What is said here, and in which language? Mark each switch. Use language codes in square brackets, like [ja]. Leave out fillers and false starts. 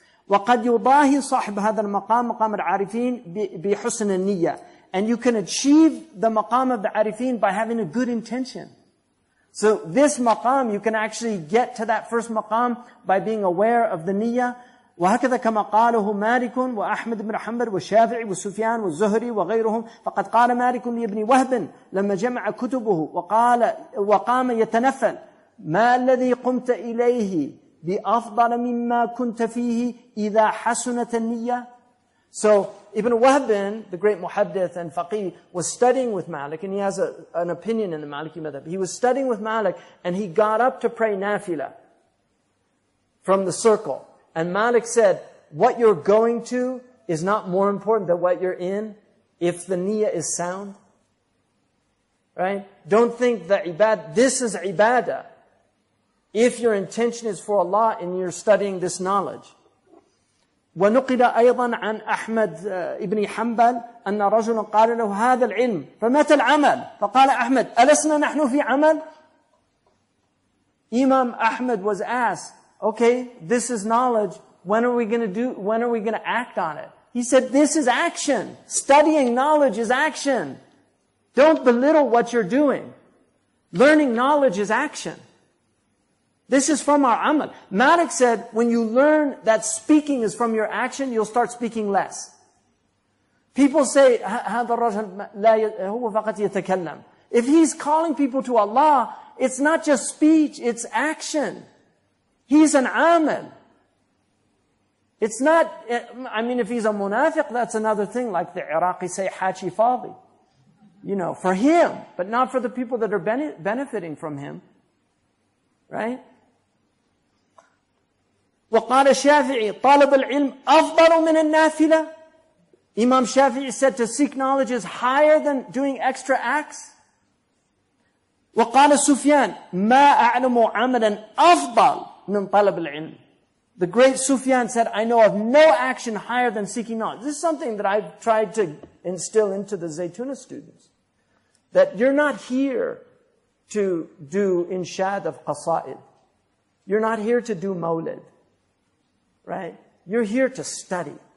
[ar] وَقَدْ يُضَاهِ صَاحِبْ هَذَا الْمَقَامِ مَقَامِ الْعَارِفِينَ بِحُسْنِ النِّيَّةِ. [en] And you can achieve the maqam of the arifin by having a good intention. So this maqam, you can actually get to that first maqam by being aware of the niyyah, [ar] وهكذا كما قاله مالك وأحمد بن حنبل والشافعي وسفيان والزهري وغيرهم. فقد قال مالك لابن وهب لما جمع كتبه وقال وقام يتنفل: ما الذي قمت إليه بأفضل مما كنت فيه إذا حسنت النية؟ [en] So Ibn Wahb, the great muhaddith and faqih, was studying with Malik, and he has an opinion in the Maliki madhab. He was studying with Malik, and he got up to pray nafila from the circle. And Malik said, what you're going to is not more important than what you're in if the niyyah is sound. Right? Don't think that ibadah, this is ibadah, if your intention is for Allah and you're studying this knowledge. [ar] ونقل أيضا عن أحمد ابن حنبل أن رجلا قال له هذا العلم فمتى العمل؟ فقال أحمد ألسنا نحن في عمل؟ [en] Imam Ahmad was asked, okay, this is knowledge, when are we going to act on it? He said, this is action. Studying knowledge is action. Don't belittle what you're doing. Learning knowledge is action. This is from our amal. Malik said, when you learn that speaking is from your action, you'll start speaking less. People say, [ar] هذا الرجل لا هو فقط يتكلم. [en] If he's calling people to Allah, it's not just speech, it's action. He's an amal. It's not, I mean, if he's a munafiq, that's another thing, like the Iraqi say, [ar] Hachi Fadi. [en] You know, for him, but not for the people that are benefiting from him. Right? [ar] وقال الشافعي طالب العلم أفضل من النافلة. [en] Imam Shafi'i said to seek knowledge is higher than doing extra acts. [ar] وقال سفيان ما أعلم عملا أفضل من طلب العلم. [en] The great Sufyan said, I know of no action higher than seeking knowledge. This is something that I've tried to instill into the Zaytuna students. That you're not here to do inshad of qasa'id. You're not here to do mawlid. Right? You're here to study.